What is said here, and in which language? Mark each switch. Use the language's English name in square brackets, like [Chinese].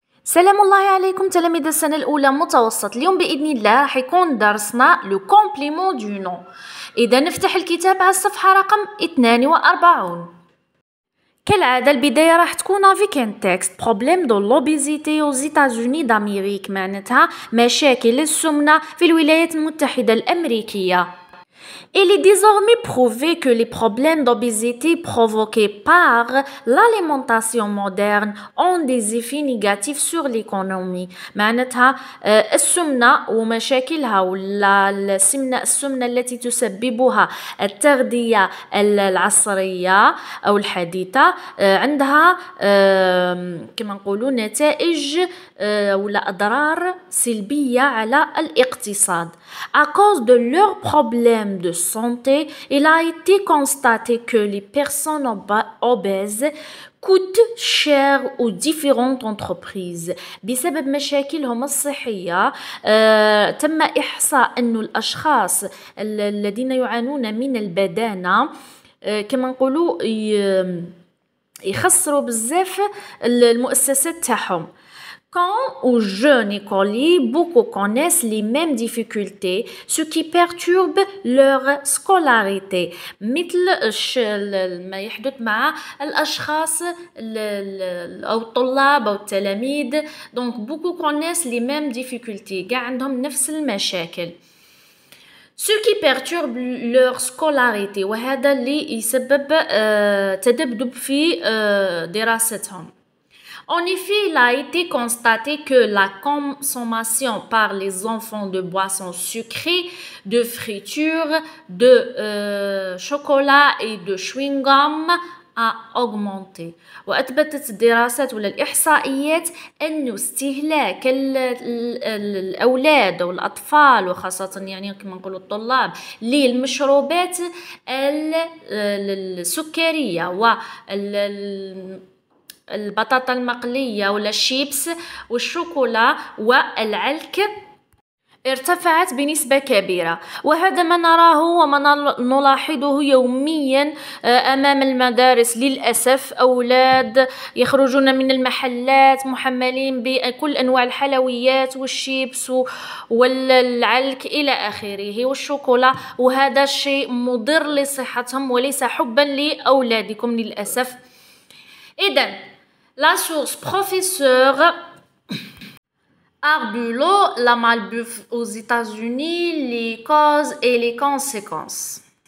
[Arabic] السلام الله عليكم تلاميذ السنة الأولى متوسط. اليوم بإذن الله راح يكون درسنا لو كومبليمون دو نو. إذا نفتح الكتاب على الصفحة رقم 42. كالعادة البداية راح تكون [French] افيك ان تيكست بروبليم دو لوبيزيتي او زيتازوني داميريك، [Arabic] معناتها مشاكل السمنة في الولايات المتحدة الأمريكية. [French] Il est désormais prouvé que les problèmes d'obésité provoqués par l'alimentation moderne ont des effets négatifs sur l'économie. [Arabic] معناتها السمنة ومشاكلها ولا السمنة التي تسببها التغذية العصرية أو الحديثة عندها كما نقولوا نتائج ولا أضرار سلبية على الاقتصاد. [French] À cause de leurs problèmes de santé, il a été constaté que les personnes obèses coûtent cher aux différentes entreprises. [Arabic] بسبب مشاكلهم الصحية تم إحصاء أن الأشخاص الذين يعانون من البدانة كما نقولوا يخسروا بزاف المؤسسات تاعهم. [French] Quand aux jeunes écoliers, beaucoup connaissent les mêmes difficultés, ce qui perturbe leur scolarité. [Arabic] مثل ما يحدث مع الأشخاص أو الطلاب أو التلاميذ. [French] Donc, beaucoup connaissent les mêmes difficultés. [Arabic] قاع عندهم نفس المشاكل. [French] Ce qui perturbe leur scolarité. [Arabic] وهذا اللي يسبب تذبذب في دراستهم. [French] En effet, il a été constaté que la consommation par les enfants de boissons sucrées, de fritures, de chocolat et de chewing-gum a augmenté. [Arabic] وأثبتت الدراسات ولا الإحصائيات أن استهلاك الأولاد والأطفال وخاصة يعني كما نقول الطلاب للمشروبات السكرية وال البطاطا المقلية ولا الشيبس والشوكولا والعلك ارتفعت بنسبة كبيرة. وهذا ما نراه وما نلاحظه يوميا أمام المدارس. للأسف أولاد يخرجون من المحلات محملين بكل أنواع الحلويات والشيبس والعلك إلى آخره والشوكولا، وهذا شيء مضر لصحتهم وليس حبا لأولادكم للأسف. [French] إذن La source professeur Arbulo, la malbouffe aux États-Unis, les causes et les conséquences.